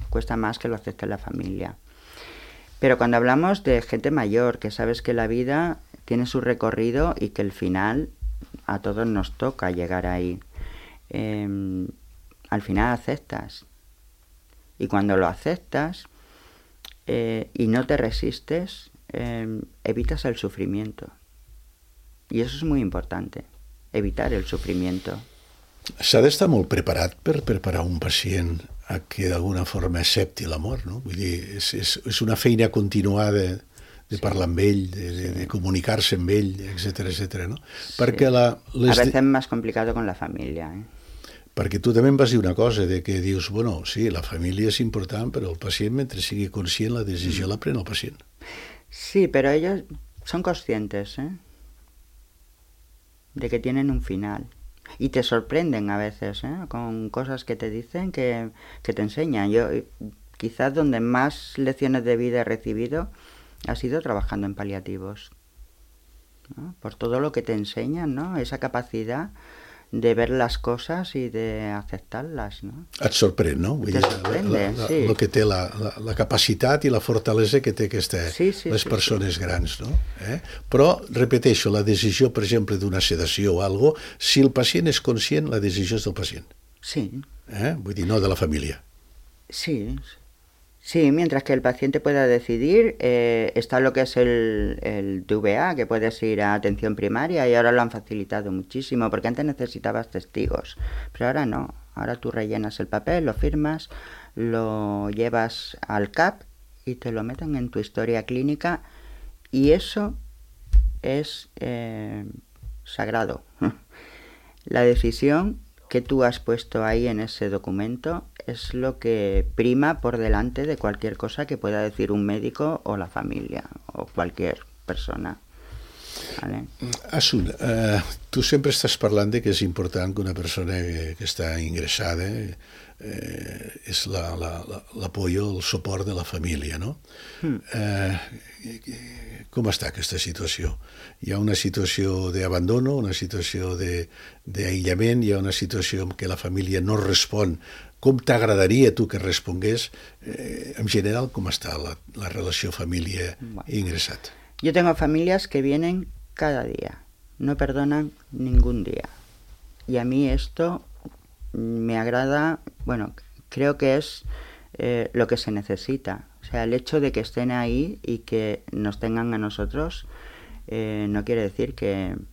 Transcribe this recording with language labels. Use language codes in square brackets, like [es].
[es] Cuesta más que lo acepte la familia. Pero cuando hablamos de gente mayor, que sabes que la vida tiene su recorrido y que el final a todos nos toca llegar ahí, al final aceptas. Y cuando lo aceptas y no te resistes, evitas el sufrimiento. Y eso es muy importante, evitar el sufrimiento. [ca] S'ha d'estar molt preparat per preparar un pacient a que d'alguna forma accepti l'amor, no? Vull dir, és una feina continuada de parlar amb ell, de comunicar-se amb ell, etcètera, etcètera, no? Sí. Perquè [es] a veces más complicado con la familia, ¿eh? [ca] Perquè tu també em vas dir una cosa, de que dius, bueno, sí, la família és important, però el pacient, mentre sigui conscient, la decisió la pren el pacient. [es] Sí, [ca] però ells són [es] conscientes, de que tienen un final. Y te sorprenden a veces, con cosas que te dicen, que te enseñan. Yo quizás donde más lecciones de vida he recibido ha sido trabajando en paliativos, ¿no? Por todo lo que te enseñan, ¿no? Esa capacidad de ver las cosas y de aceptarlas, ¿no? [ca] Et sorprèn, no? Vull dir, lo que té la capacitat i la fortalesa que té aquesta, les persones sí. grans, no? Però, repeteixo, la decisió, per exemple, d'una sedació o algo, si el pacient és conscient, la decisió és del pacient. Sí. Vull dir, no de la família. Sí. [es] Sí, mientras que el paciente pueda decidir, está lo que es el DVA, que puedes ir a atención primaria, y ahora lo han facilitado muchísimo, porque antes necesitabas testigos, pero ahora no. Ahora tú rellenas el papel, lo firmas, lo llevas al CAP y te lo meten en tu historia clínica, y eso es sagrado. La decisión que tú has puesto ahí en ese documento es lo que prima por delante de cualquier cosa que pueda decir un médico o la familia o cualquier persona. ¿Vale? [ca] Asun, [es] tú siempre estás [ca] parlant de que és important que una persona que està ingressada és l'apoyo, el suport de la família, no? Com està aquesta situació? Hi ha una situació d'abandono, una situació d'aïllament, hi ha una situació en què la família no respon. Com t'agradaria tu que respongués, en general, com està la relació família ingressat? [es] Yo tengo familias que vienen cada día, no perdonan ningún día. Y a mí esto me agrada, bueno, creo que es lo que se necesita. O sea, el hecho de que estén ahí y que nos tengan a nosotros no quiere decir que...